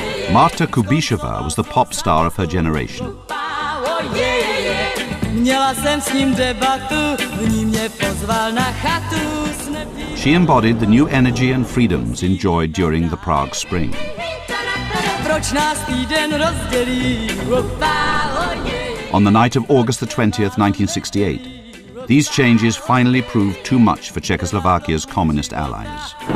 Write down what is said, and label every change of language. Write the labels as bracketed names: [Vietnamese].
[English] Marta Kubíšová was the pop star of her generation. [Czech] Měla jsem s ním debatu, v ní mě pozval na chatu. [English] She embodied the new energy and freedoms enjoyed during the Prague Spring. [Czech] Proč nás týden rozdělí? [English] On the night of August the 20th, 1968, these changes finally proved too much for Czechoslovakia's communist allies.